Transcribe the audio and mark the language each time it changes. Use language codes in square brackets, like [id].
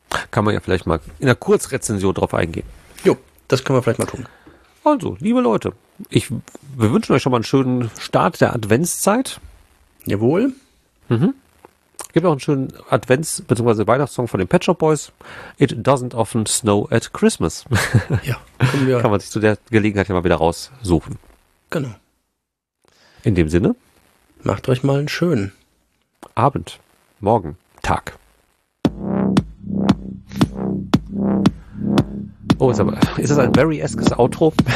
[de] Kann man ja vielleicht mal in einer Kurzrezension drauf eingehen. Jo, das können wir vielleicht mal tun. Also, liebe Leute, wir wünschen euch schon mal einen schönen Start der Adventszeit. Jawohl. Gibt auch einen schönen Advents- bzw. Weihnachtssong von den Pet Shop Boys. [en] It doesn't often snow at Christmas. [de] Ja, kann man sich zu der Gelegenheit ja mal wieder raussuchen. Genau. In dem Sinne, macht euch mal einen schönen Abend, Morgen, Tag. Oh, sag mal, ist das ein Barry-eskes Outro?